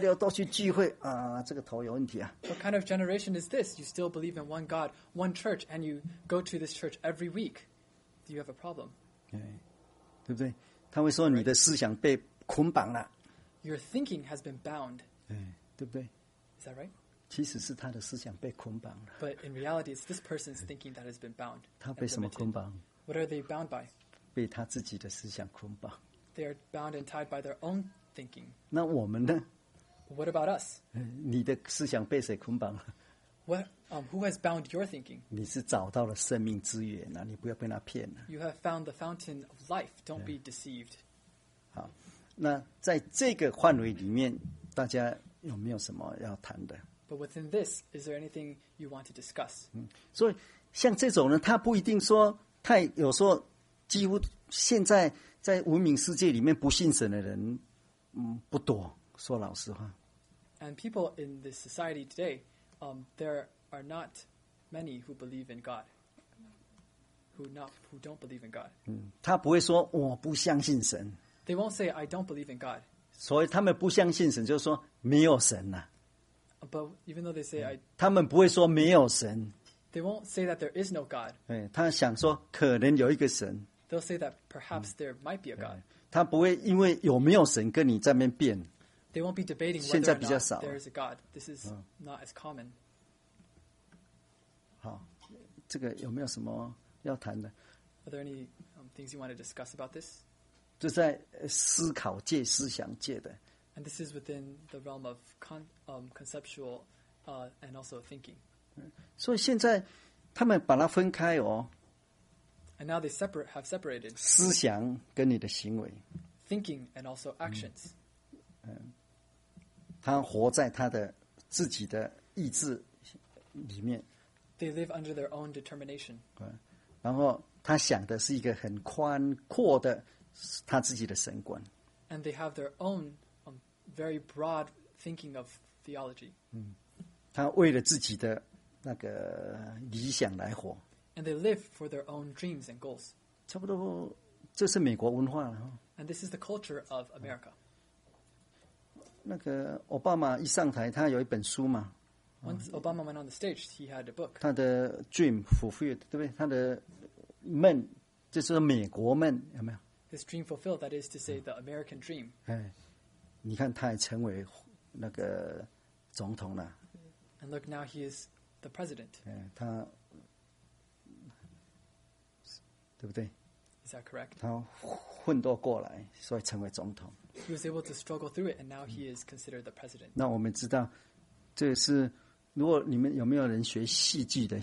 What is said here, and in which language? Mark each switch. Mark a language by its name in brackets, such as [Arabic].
[Chinese] 他说：“这个什么时代了，你还在信一个神啊，一个教会啊，每个礼拜六都去聚会啊，这个头有问题啊。” [English] What kind of generation is this? You still believe in one God, one church, and you go to this church every week. Do you have a problem? [Chinese] 对，对不对？他会说你的思想被捆绑了。 [English] Your thinking has been bound. [Chinese] 对，对不对？ [English] Is that right? [Chinese] 其实是他的思想被捆绑了。 [English] But in reality, it's this person's thinking that has been bound. [Chinese] 他被什么捆绑？ [English] What are they bound by? [Chinese] 被他自己的思想捆绑。 [English] They are bound and tied by their own thinking. [Chinese] 那我们呢？ [English] What about us? [Chinese] 你的思想被谁捆绑了？ [English] Who has bound your thinking? [Chinese] 你是找到了生命之源啊，你不要被他骗了。 [English] You have found the fountain of life. Don't be deceived. [Chinese] 好，那在这个范围里面，大家有没有什么要谈的？ [English] But within this, is there anything you want to discuss? [Chinese] 所以像这种人，他不一定说太有时候，几乎现在在文明世界里面不信神的人，不多，说老实话。 [English] And people in this society today, there are not many who believe in God, who don't believe in God. [Chinese] 他不会说我不相信神。 [English] They won't say, I don't believe in God. [Chinese] 所以他们不相信神，就是说没有神啊。 [English] But even though they say, [Chinese] 他们不会说没有神。 [English] They won't say that there is no God. [Chinese] 他想说可能有一个神。 [English] They'll say that perhaps there might be a God. [Chinese] 他不会因为有没有神跟你在那边辩。 [English] They won't be debating whether or not there is a God. This is not as common. [Chinese] 好，这个有没有什么要谈的？ [English] Are there any things you want to discuss about this? [Chinese] 就在思考界、思想界的。 [English] And this is within the realm of conceptual and also thinking. [Chinese] 所以现在他们把它分开哦。 [English] And now they have separated [Chinese] 思想跟你的行为。 [English] Thinking and also actions. [Chinese] 他活在他的自己的意志里面。 [English] They live under their own determination. [Chinese] 然后他想的是一个很宽阔的他自己的神观。 [English] And they have their own very broad thinking of theology. [Chinese] 他为了自己的那个理想来活。 [English] And they live for their own dreams and goals. [Chinese] 差不多这是美国文化。 [English] And this is the culture of America. [Chinese] 那个奥巴马一上台他有一本书嘛。 [English] Once Obama went on the stage, he had a book. [Chinese] 他的 [English] dream fulfilled, [Chinese] 对不对？他的梦，就是美国梦，有没有？ [English] His dream fulfilled, that is to say the American dream. [Chinese] 你看他也成为那个总统了。 [English] And look, now he is the president. [Chinese] 他对不对？ [English] Is that correct? [Chinese] 他奋斗过来，所以成为总统。 [English] He was able to struggle through it, and now he is considered the president. [Chinese] 那我们知道这是，如果你们有没有人学戏剧的？